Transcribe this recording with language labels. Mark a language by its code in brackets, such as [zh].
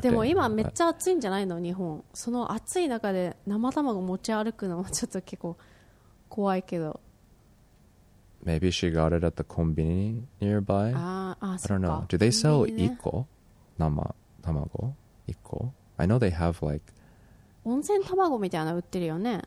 [ja] でも今めっちゃ暑いんじゃないの、日本。その暑い中で生卵持ち歩くのもちょっと結構怖いけど。 [en] Maybe she got it at the conbini nearby. [ja] ああ、そうか。 [en] I don't know. Do they sell iko? 生卵?Iko? I know they have like... [ja] 温泉卵みたいな売ってるよね。